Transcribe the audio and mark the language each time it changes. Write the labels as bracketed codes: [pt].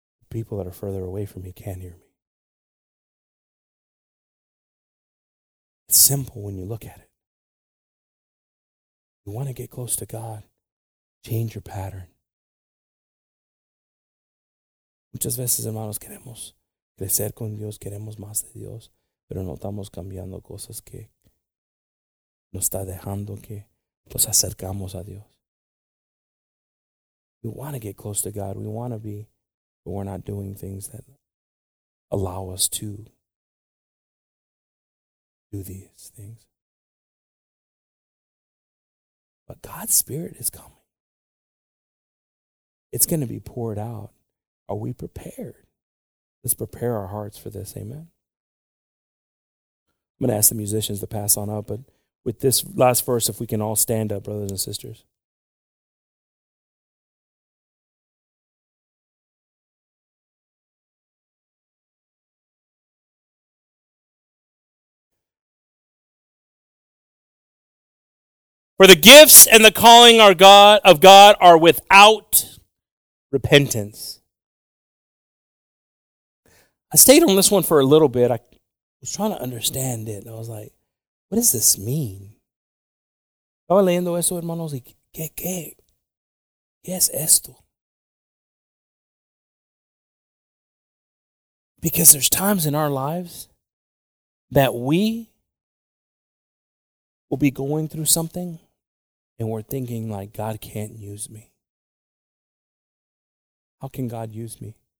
[en] People that are further away from me can hear me. It's simple when you look at it. You want to get close to God, change your pattern. [es] Muchas veces, hermanos, queremos crecer con Dios, queremos más de Dios, pero no estamos cambiando cosas que nos está dejando que nos acercamos a Dios. [en] We want to get close to God. We want to be, but we're not doing things that allow us to do these things. But God's Spirit is coming. It's going to be poured out. Are we prepared? Let's prepare our hearts for this. Amen. I'm going to ask the musicians to pass on up, but with this last verse, if we can all stand up, brothers and sisters. For the gifts and the calling are God of God are without repentance. I stayed on this one for a little bit. I was trying to understand it. And I was like, what does this mean? [es] Estaba leyendo eso, hermanos, y ¿qué es esto? [en] Because there's times in our lives that we will be going through something. And we're thinking, like, God can't use me. How can God use me?